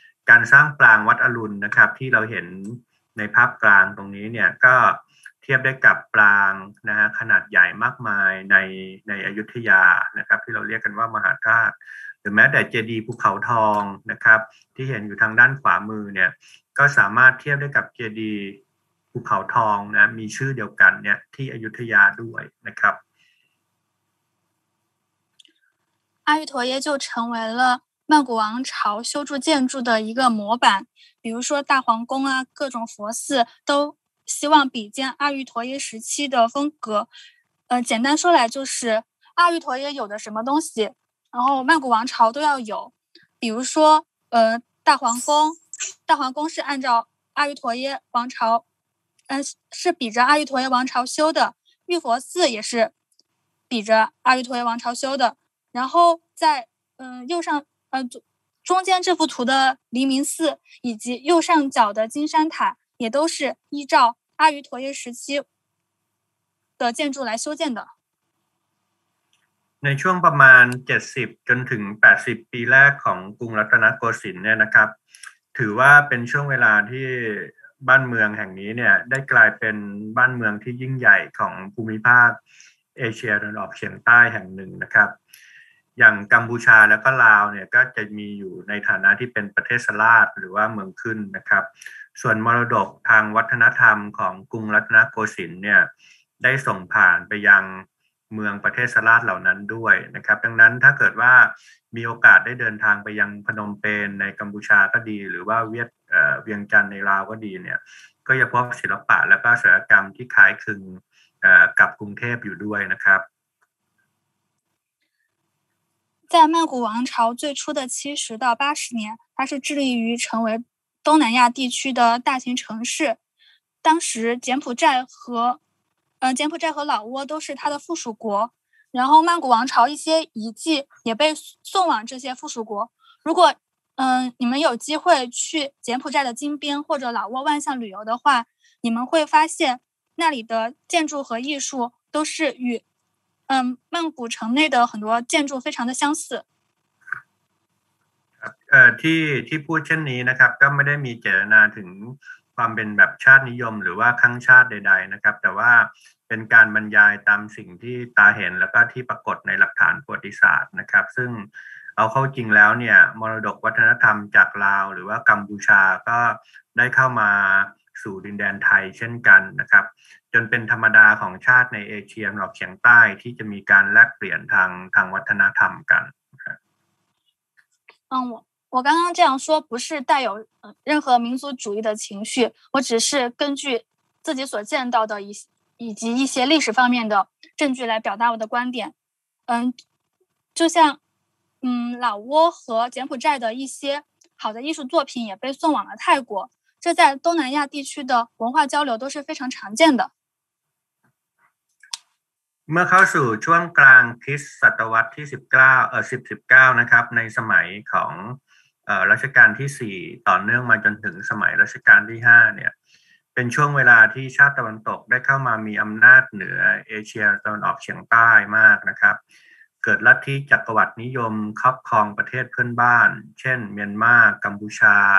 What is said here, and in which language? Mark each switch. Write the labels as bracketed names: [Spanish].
[Thai] การสร้างปรางวัดอรุณนะครับที่เราเห็นในภาพกลางตรงนี้เนี่ยก็เทียบได้กับปรางนะฮะขนาดใหญ่มากมายในอยุธยานะครับที่เราเรียกกันว่ามหาธาตุหรือแม้แต่เจดีย์ภูเขาทองนะครับที่เห็นอยู่ทางด้านขวามือเนี่ยก็สามารถเทียบได้กับเจดีย์ภูเขาทองนะมีชื่อเดียวกันเนี่ยที่อยุธยาด้วยนะครับ [Chinese] 阿育陀耶就成为了曼谷王朝修筑建筑的一个模板，比如说大皇宫啊，各种佛寺都希望比肩阿育陀耶时期的风格。简单说来就是阿育陀耶有的什么东西，然后曼谷王朝都要有。比如说，大皇宫是按照阿育陀耶王朝，是比着阿育陀耶王朝修的。玉佛寺也是比着阿育陀耶王朝修的。然后在右上。中间这幅图的黎明寺以及右上角的金山塔也都是依照阿育陀耶时期的建筑来修建的 [Thai] ในช่วงประมาณ70จนถึง80ปีแรกของกรุงรัตนโกสินทร์เนี่ยนะครับถือว่าเป็นช่วงเวลาที่บ้านเมืองแห่งนี้เนี่ยได้กลายเป็นบ้านเมืองที่ยิ่งใหญ่ของภูมิภาคเอเชียตะวันออกเฉียงใต้แห่งหนึ่งนะครับ อย่างกัมพูชาแล้วก็ลาวเนี่ยก็จะมีอยู่ในฐานะที่เป็นประเทศสลาฟหรือว่าเมืองขึ้นนะครับส่วนมรดกทางวัฒนธรรมของกรุงรัตนโกสินทร์เนี่ยได้ส่งผ่านไปยังเมืองประเทศสลาฟเหล่านั้นด้วยนะครับดังนั้นถ้าเกิดว่ามีโอกาสได้เดินทางไปยังพนมเปญในกัมพูชาก็ดีหรือว่าเวียงจันทน์ในลาวก็ดีเนี่ย ก็จะพบศิลปะและก็ศิลปกรรมที่คล้ายคลึงกับกรุงเทพอยู่ด้วยนะครับ [Chinese] 在曼谷王朝最初的70到80年，它是致力于成为东南亚地区的大型城市。当时柬埔寨和老挝都是它的附属国。然后曼谷王朝一些遗迹也被送往这些附属国。如果你们有机会去柬埔寨的金边或者老挝万象旅游的话，你们会发现那里的建筑和艺术都是与曼谷城内的很多建筑非常的相似。 [Thai] ที่พูดเช่นนี้นะครับก็ไม่ได้มีเจตนาถึงความเป็นแบบชาตินิยมหรือว่าข้างชาติใดๆนะครับแต่ว่าเป็นการบรรยายตามสิ่งที่ตาเห็นแล้วก็ที่ปรากฏในหลักฐานประวัติศาสตร์นะครับซึ่งเอาเข้าจริงแล้วเนี่ยมรดกวัฒนธรรมจากลาวหรือว่ากัมพูชาก็ได้เข้ามาสู่ดินแดนไทยเช่นกันนะครับจนเป็นธรรมดาของชาติในเอเชียตะวันออกเฉียงใต้ที่จะมีการแลกเปลี่ยนทางวัฒนธรรมกัน ครับ [Chinese] 我刚刚这样说不是带有任何民族主义的情绪，我只是根据自己所见到的以及一些历史方面的证据来表达我的观点。就像老挝和柬埔寨的一些好的艺术作品也被送往了泰国，这在东南亚地区的文化交流都是非常常见的。 [Thai] เมื่อเข้าสู่ช่วงกลางคริสต์ศตวรรษที่19นะครับในสมัยของรัชกาลที่4ต่อเนื่องมาจนถึงสมัยรัชกาลที่5เนี่ยเป็นช่วงเวลาที่ชาติตะวันตกได้เข้ามามีอำนาจเหนือเอเชียตะวันออกเฉียงใต้มากนะครับเกิดลัทธิจักรวรรดินิยมครอบครองประเทศเพื่อนบ้านเช่นเมียนมากัมพูชา